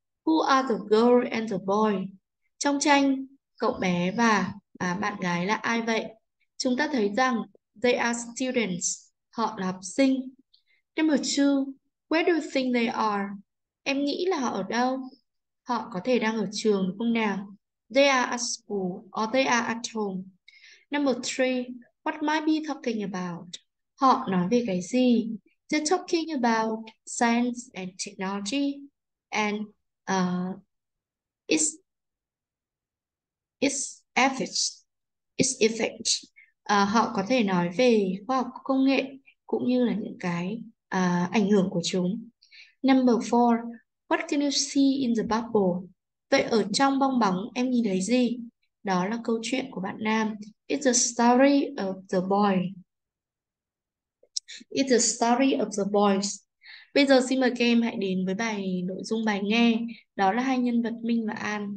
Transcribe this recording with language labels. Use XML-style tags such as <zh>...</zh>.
<en>Who are the girl and the boy?</en> <vi>Trong tranh, cậu bé và bạn gái là ai vậy? Chúng ta thấy rằng</vi> <en>they are students.</en> <vi>Họ là học sinh.</vi> <en>Number 2. Where do you think they are?</en> <vi>Em nghĩ là họ ở đâu? Họ có thể đang ở trường đúng không nào?</vi> <en>They are at school or they are at home. Number 3. What might be talking about?</en> <vi>Họ nói về cái gì?</vi> <en>They're talking about science and technology and its ethics, its effect.</en> <vi>Họ có thể nói về khoa học công nghệ cũng như là những cái ảnh hưởng của chúng.</vi> <en>Number four, what can you see in the bubble?</en> <vi>Vậy ở trong bong bóng em nhìn thấy gì? Đó là câu chuyện của bạn nam.</vi> <en>It's the story of the boy. It's the story of the boys.</en> <vi>Bây giờ xin mời các em hãy đến với bài nội dung bài nghe. Đó là hai nhân vật Minh và An.</vi>